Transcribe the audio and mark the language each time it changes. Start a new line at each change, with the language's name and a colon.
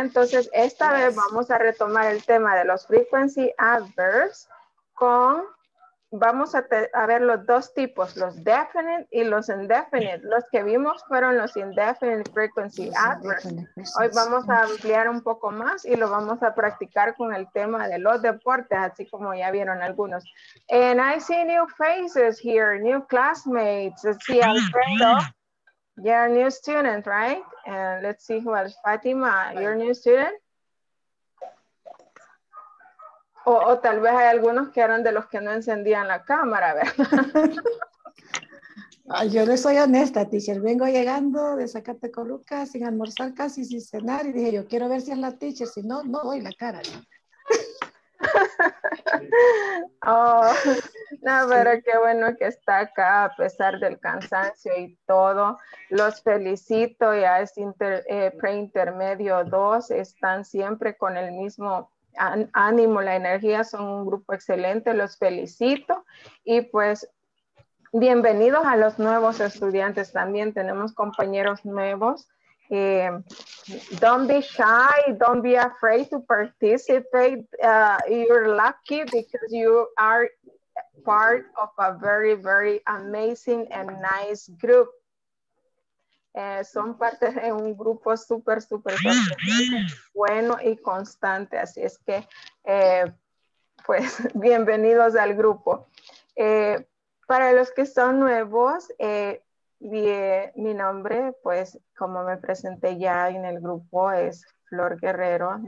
Spanish: Entonces, esta vez vamos a retomar el tema de los frequency adverbs con, vamos a ver los dos tipos, los definite y los indefinite. Los que vimos fueron los indefinite frequency adverbs. Hoy vamos a ampliar un poco más y lo vamos a practicar con el tema de los deportes, así como ya vieron algunos.
English: And I see new faces here, new classmates. Let's see, Alfredo. You're a new student, right? And let's see who else. Fatima, you're a new student?
Spanish: O tal vez hay algunos que eran de los que no encendían la cámara, ¿verdad? Yo no soy honesta, teacher. Vengo llegando de Zacatecoluca sin almorzar casi, sin cenar. Y dije, yo quiero ver si es la teacher. Si no, no doy la cara. Oh, no, pero qué bueno que está acá a pesar del cansancio y todo. Los felicito, ya es preintermedio 2, están siempre con el mismo ánimo, la energía, son un grupo excelente, los felicito. Y pues, bienvenidos a los nuevos estudiantes también, tenemos compañeros nuevos.
English: Don't be shy, don't be afraid to participate. You're lucky because you are part of a very, very amazing and nice group.
Spanish: Son parte de un grupo súper, súper bueno y constante. Así es que, pues, bienvenidos al grupo. Para los que son nuevos, mi nombre, pues, como me presenté ya en el grupo, es Flor Guerrero.